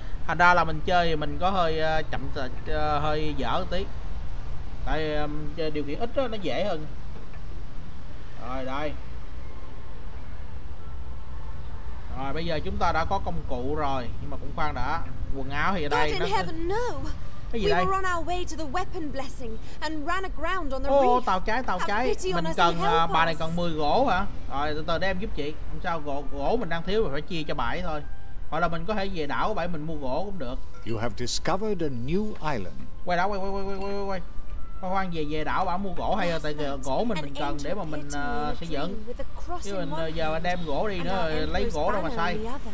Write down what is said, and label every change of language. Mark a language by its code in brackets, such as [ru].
[vi] Thành ra là mình chơi thì mình có hơi chậm, hơi dở tí. Tại điều kiện ít đó, nó dễ hơn. Rồi đây. Rồi bây giờ chúng ta đã có công cụ rồi, nhưng mà cũng khoan đã. Quần áo thì ở đây nó... [en] We were on our way to the weapon blessing and ran aground on the reef. [vi] Oh, tàu cháy. Mình cần bà này cần 10 gỗ hả? Rồi từ từ đem giúp chị. Không sao, gỗ mình đang thiếu phải chia cho bà ấy thôi. Hoặc là mình có thể về đảo của bà ấy mình mua gỗ cũng được. [en] You have discovered a new island. [vi] Quay đảo, quay. Khoan, về đảo bà mua gỗ hay là tại gỗ mình cần để mà mình xây dựng. Chứ mình giờ đem gỗ đi nữa rồi lấy gỗ đâu mà xây.